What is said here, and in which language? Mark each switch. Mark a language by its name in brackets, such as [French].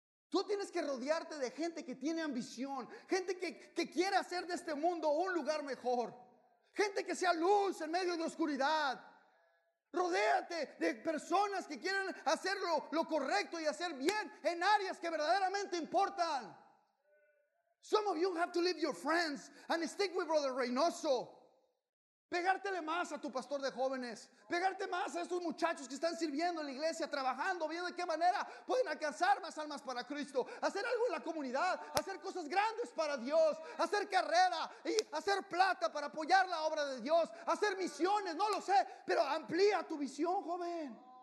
[Spanish] Tú tienes que rodearte de gente que tiene ambición, gente que quiere hacer de este mundo un lugar mejor, gente que sea luz en medio de oscuridad. Rodéate de personas que quieren hacer lo correcto y hacer bien en áreas que verdaderamente importan. [English] Some of you have to leave your friends and stick with Brother Reynoso. [Spanish] pegártele más a tu pastor de jóvenes, pegarte más a estos muchachos que están sirviendo en la iglesia, trabajando, viendo de qué manera pueden alcanzar más almas para Cristo, hacer algo en la comunidad, hacer cosas grandes para Dios, hacer carrera y hacer plata para apoyar la obra de Dios, hacer misiones, no lo sé, pero amplía tu visión, joven.